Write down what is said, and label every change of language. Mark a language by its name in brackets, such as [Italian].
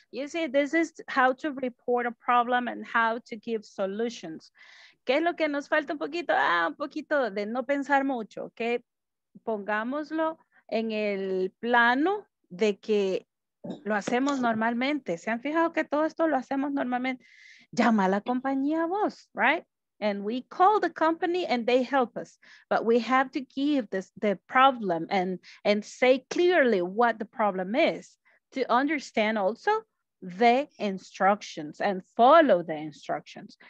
[English] You see, this is how to report a problem and how to give solutions. [Spanish] ¿Qué es lo que nos falta un poquito? Un poquito de no pensar mucho, ¿okay? Pongámoslo en el plano de que lo hacemos normalmente. ¿Se han fijado que todo esto lo hacemos normalmente? Llama a la compañía a vos, right? [English] And we call the company and they help us. But we have to give the problem and say clearly what the problem is to understand also the instructions and follow the instructions.